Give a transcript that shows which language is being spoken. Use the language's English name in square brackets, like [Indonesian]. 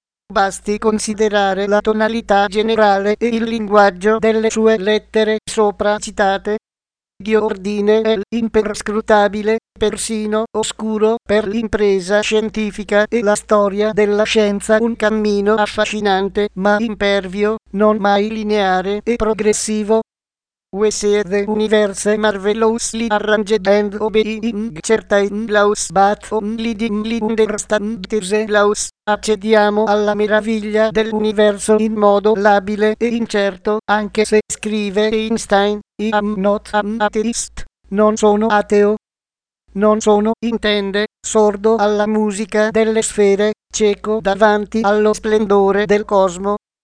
[Italian] Basti considerare la tonalità generale e il linguaggio delle sue lettere sopra citate. Di ordine è imperscrutabile, persino oscuro per l'impresa scientifica e la storia della scienza un cammino affascinante, ma impervio, non mai lineare e progressivo. [English] We see the universe marvelously arranged and obeying certain laws but only dimly understand these laws. [Italian] Accediamo alla meraviglia dell'universo in modo labile e incerto, anche se, scrive Einstein, [English] I am not an atheist, [Italian] non sono ateo. Non sono, intende, sordo alla musica delle sfere, cieco davanti allo splendore del cosmo.